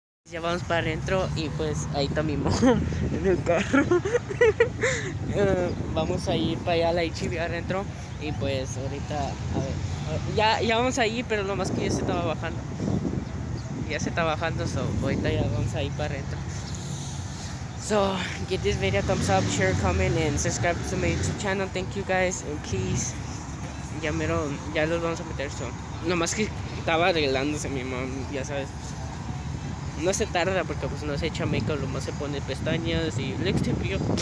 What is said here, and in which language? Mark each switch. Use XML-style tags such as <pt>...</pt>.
<es>Ya vamos para adentro y pues ahí está mi mom en el carro. Vamos a ir para allá a la HB adentro y pues ahorita, a ver, ya vamos ahí, pero lo más que ya se estaba bajando. Ya se está bajando, so ahorita ya vamos a ir para adentro.</es> <en>So, give this video a thumbs up, share, comment, and subscribe to my YouTube channel. Thank you guys, and please.</en> <es>Ya los vamos a meter, so. Lo más que estaba arreglándose mi mom, ya sabes. No se tarda porque pues no se echa make-up, lo más se pone pestañas y le extendió.</es>